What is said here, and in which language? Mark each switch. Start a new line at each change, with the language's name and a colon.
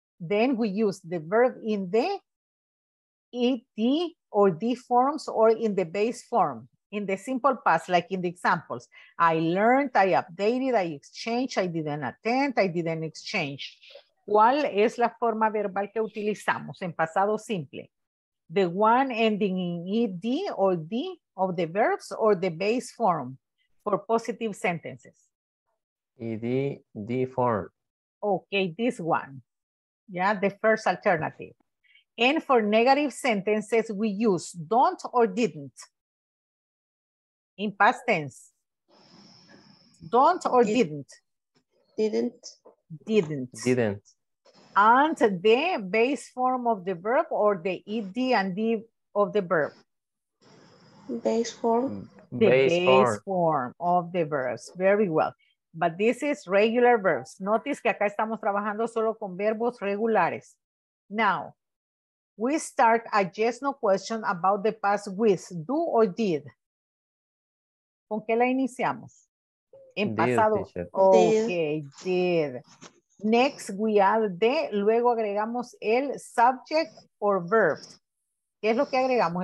English: Then we use the verb in the ed or d forms or in the base form. In the simple past, like in the examples, I learned, I updated, I exchanged, I didn't attend, I didn't exchange.
Spanish: ¿Cuál es la forma verbal que utilizamos en pasado simple?
English: The one ending in ed or d of the verbs or the base form? For positive sentences. ED, D form. Okay, this one. Yeah, the first alternative. And for negative sentences, we use don't or didn't. In past tense. Don't or didn't. Didn't. Didn't. Didn't. And the base form of the verb or the ED and D of the verb? Base form. The base form of the verbs. Very well. But this is regular verbs.
Spanish: Notice que acá estamos trabajando solo con verbos regulares.
English: Now, we start a yes no question about the past with do or did.
Spanish: ¿Con qué la iniciamos? En did, pasado. Okay, did.
English: Next, we add the,
Spanish: luego agregamos el subject or verb. ¿Qué es lo que agregamos?